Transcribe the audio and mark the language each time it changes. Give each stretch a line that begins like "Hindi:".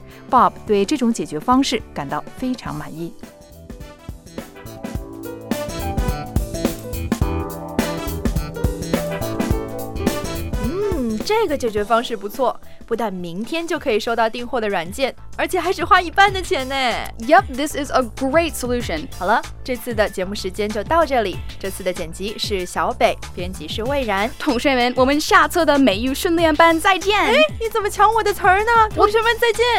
Chinese: Bob 对这种解决方式感到非常满意。这个解决方式不错，不但明天就可以收到订货的软件，而且还只花一半的钱呢。
English: Yep, this is a great solution.
Chinese: 好了，这次的节目时间就到这里，这次的剪辑是小北，编辑是魏然。同学们，我们下次的美语训练班再见。哎，你怎么抢我的词儿呢？同学们再见。